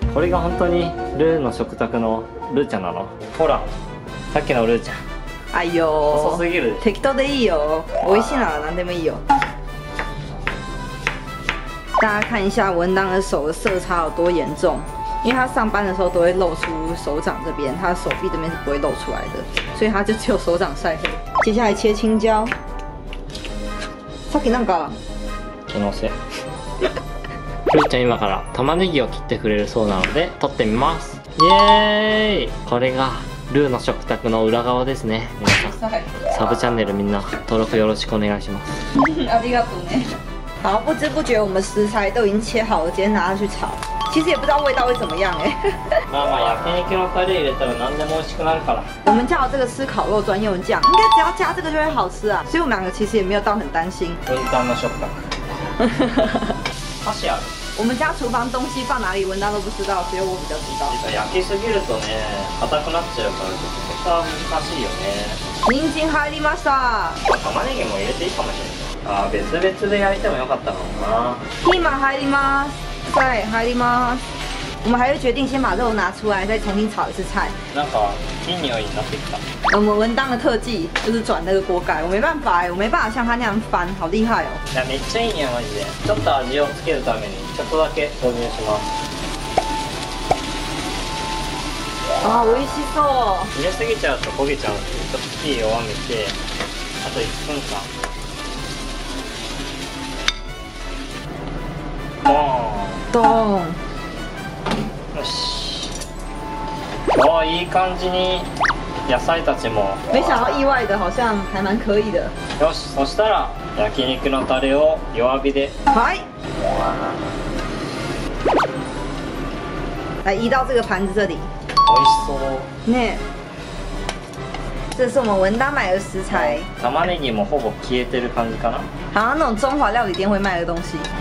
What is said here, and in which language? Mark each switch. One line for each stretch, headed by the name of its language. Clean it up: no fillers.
Japanese: これが本当にルーの食卓のルーちゃんなの。ほらさっきのルーちゃん。あいよー、細すぎる。適当でいいよ、美味しいなら何でもいいよ。
Chinese: 大家看一下文章的手的色差有多严重，因为他上班的时候都会露出手掌这边，他的手臂这边是不会露出来的，所以他就只有手掌晒黑。接下来切青椒。
Japanese: さっきなんかこのせ。ふーちゃん今から玉ねぎを切ってくれるそうなので取ってみます。イエーイ、これがルーの食卓の裏側ですね。皆さんサブチャンネルみんな登録よろしくお願いします。ありがとうね。
Chinese: 好，不知不觉我们食材都已经切好了，今天拿去炒。其实也不知道味道会怎么样哎。妈妈，
Japanese: 焼き肉のタレ入れたら何でも美味しくなるから。
Chinese: 我们叫这个吃烤肉专用酱，应该只要加这个就会好吃啊。所以我们两个其实也没有到很担心。文章的食卡。哈哈哈。我们家厨房东西放哪里，文章都不知道，只有我比较知道。
Japanese: 焼きすぎるとね、硬くなっちゃうから、ちょっとそこは難しいよね。人参入りました。玉ねぎも入れていいかもしれない。ああ別々で焼いてもよかったかな。ピーマン入ります。はい、入ります。
Chinese: 我们还是决定先把肉拿出来再重新炒一次菜。
Japanese: なんかいい匂いになってきた。
Chinese: 我们文章的特技就是转那个锅盖，我没办法耶，我没办法像他那样翻，好厉害哦。
Japanese: いやめっちゃいい匂いマジで。ちょっと味をつけるためにちょっとだけ投入します。あ、美味しそう。入れすぎちゃうと焦げちゃうんで、ちょっと火弱めてあと1分間。ドーン。よし。わあ、いい感じに野菜たちも。
Chinese: 没想到意外的，好像还蛮可以的。
Japanese: よし、そしたら焼肉のタレを弱火で。はい。
Chinese: 来移到这个盘子这里。
Japanese: 美味しそう。ね。
Chinese: 这是我们文丹买的食材。
Japanese: 玉ねぎもほぼ消えてる感じかな。
Chinese: 好像那种中华料理店会卖的东西。